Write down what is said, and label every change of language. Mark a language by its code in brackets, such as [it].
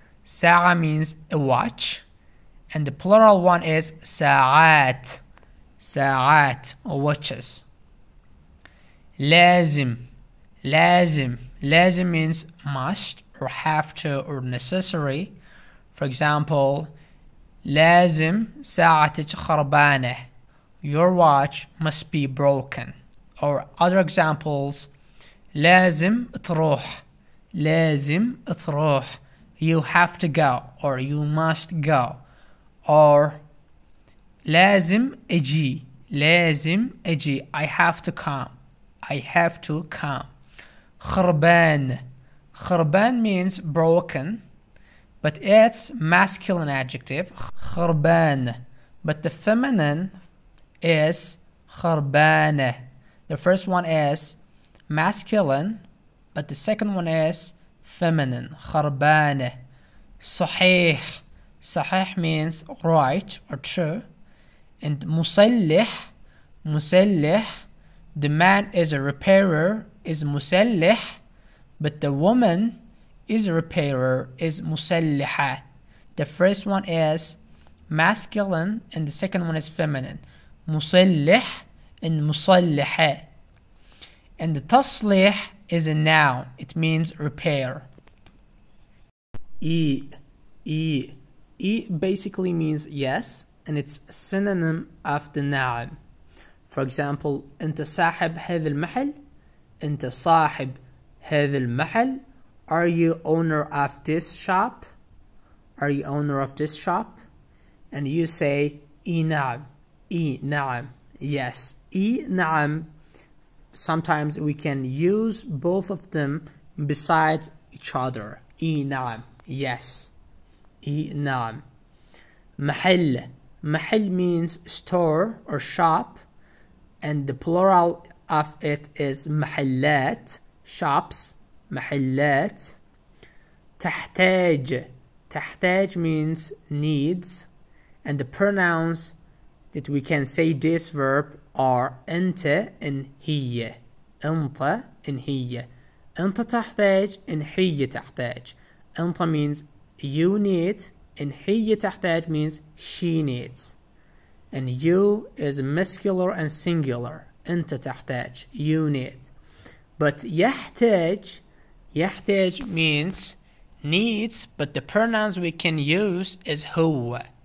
[en] ساعة means a watch. And the plural one is ساعات. [ar] ساعات, watches. لازم. لازم. [en] لازم means must or have to or necessary. For example, [ar] لازم ساعتك خربانة. [en] Your watch must be broken. Or other examples, [ar] لازم تروح. لازم تروح. [en] You have to go or you must go. Or [ar] لازم اجي. لازم اجي. [en] I have to come. I have to come. خربان. خربان means broken, but it's masculine adjective. [ar] خربان. [en] But the feminine is خربانة. The first one is masculine, but the second one is feminine. [ar] خربانة. صحيح. [en] صحيح means right or true. [ar] And مسلح. مسلح. [en] The man is a repairer, is مسلح. But the woman is a repairer, is مسلحة. The first one is masculine and the second one is feminine. [ar] مسلح and مسلحة. [en] And the تصليح is a noun. It means repair. E basically means yes, and it's a synonym of the noun. For example, [ar] أنت صاحب هذا المحل. أنت صاحب هذا المحل. [en] Are you owner of this shop? Are you owner of this shop? And you say إي نعم. [ar] إي نعم. Yes. إي نعم. [en] Sometimes we can use both of them beside each other. [ar] إي نعم. Yes. إي نعم. محل. [en] محل means store or shop. And the plural of it is محلات. [ar] Shops. محلات. تحتاج. [en] تحتاج means needs. And the pronouns that we can say this verb are أنت and هي. [ar] أنت and هي. أنت تحتاج and هي تحتاج. [en] أنت means you need and [ar] هي تحتاج [en] means she needs. And you is masculine and singular. [ar] أنت تحتاج. [en] You need. But يحتاج. يحتاج means needs, but the pronouns we can use is هو.